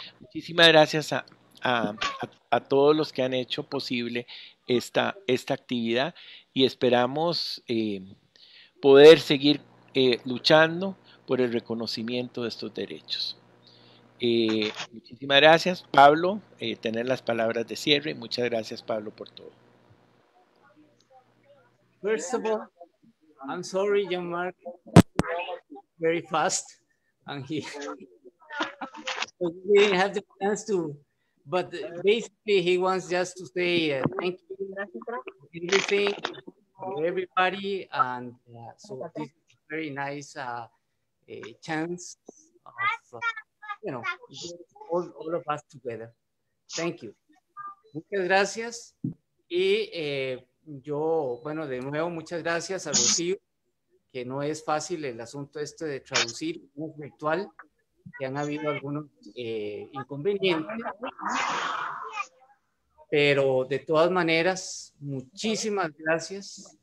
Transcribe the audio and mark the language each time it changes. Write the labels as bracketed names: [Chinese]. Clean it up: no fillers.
[Spanish] Muchísimas gracias a todos los que han hecho posible esta actividad y esperamos poder seguir luchando por el reconocimiento de estos derechos. Muchísimas gracias, Pablo, tener las palabras de cierre. Muchas gracias, Pablo, por todo. [English] First of all, I'm sorry, Jean-Marc, very fast, and he didn't have the chance to, but basically he wants just to say thank you for everything, for everybody, and so this is a very nice chance of, you know, all of us together. Thank you. [Spanish] Muchas gracias. Y yo, bueno, de nuevo, muchas gracias a Rocío, que no es fácil el asunto este de traducir un virtual, que han habido algunos inconvenientes. Pero de todas maneras, muchísimas gracias.